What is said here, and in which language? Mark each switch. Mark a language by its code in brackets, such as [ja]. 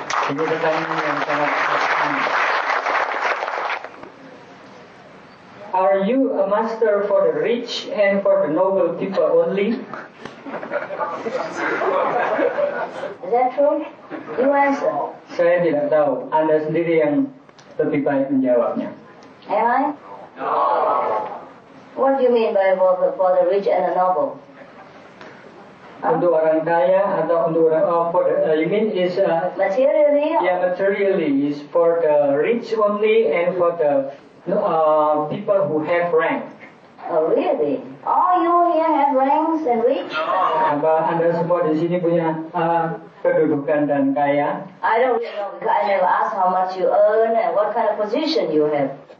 [id] Ini pertanyaan yang sangat penting. [en] Are you a master for the rich and for the noble people only? Is that true? You answer. [id] Saya tidak tahu. Anda sendiri yang lebih baik menjawabnya. [en] Am I? No. What do you mean by for the rich and the noble? [id] Untuk orang kaya atau untuk orang [en] you mean is materially? Yeah, materially is for the rich only and for the people who have rank. Oh really? All you here have ranks and rich? [id] Apa anda semua di sini punya kedudukan dan kaya? [en] I don't really know because I never ask how much you earn and what kind of position you have.